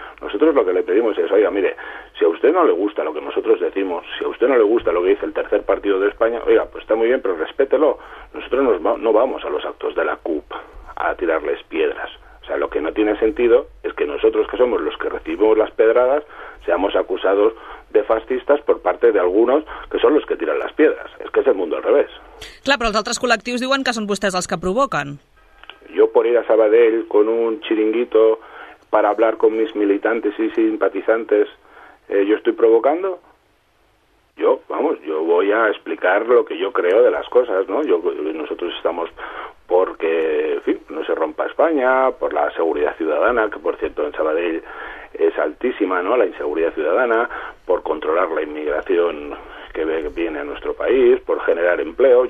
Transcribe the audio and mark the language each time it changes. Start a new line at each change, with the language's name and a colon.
Spanish: Nosotros lo que le pedimos es, oiga, mire, si a usted no le gusta lo que nosotros decimos, si a usted no le gusta lo que dice el tercer partido de España, oiga, pues está muy bien, pero respételo. Nosotros no vamos a los actos de la CUP a tirarles piedras. O sea, lo que no tiene sentido es que nosotros, que somos los que recibimos las pedradas, seamos acusados de fascistas por parte d'algunos
Catalan: que són els que tiren les pedres. És que és el món al revés. Clar, però els altres col·lectius diuen que són vostès els que provoquen.
Spanish: Jo por ir a Sabadell con un chiringuito para hablar con mis militantes y simpatizantes, ¿yo estoy provocando? Yo, vamos, yo voy a explicar lo que yo creo de las cosas, ¿no? Nosotros estamos porque, en fin, no se rompa España, por la seguridad ciudadana, que por cierto en Sabadell es altísima, ¿no?, la inseguridad ciudadana, por controlar la inmigración que viene a nuestro país, por generar empleo.